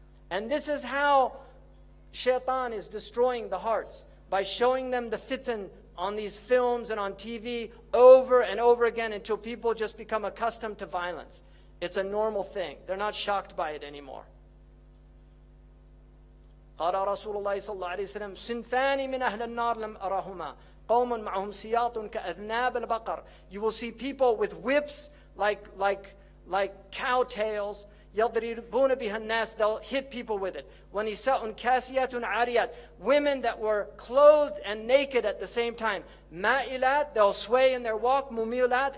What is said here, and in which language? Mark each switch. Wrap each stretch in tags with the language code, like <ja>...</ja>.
<en>And this is how Shaytan is destroying the hearts, by showing them the fitan on these films and on TV over and over again until people just become accustomed to violence. It's a normal thing. They're not shocked by it anymore.</en> <ar>قال رسول الله صلى الله عليه وسلم سنفان من أهل النار لم أرهما قوم معهم سياط كأذناب البقر.</ar> <en>You will see people with whips like cow tails.</en> <ar>يضربون بها الناس.</ar> <en>They'll hit people with it.</en> <ar>ونساء كاسيات عاريات.</ar> <en>Women that were clothed and naked at the same time.</en> <ar>مائلات.</ar> <en>They'll sway in their walk.</en> <ar>مميلات.</ar>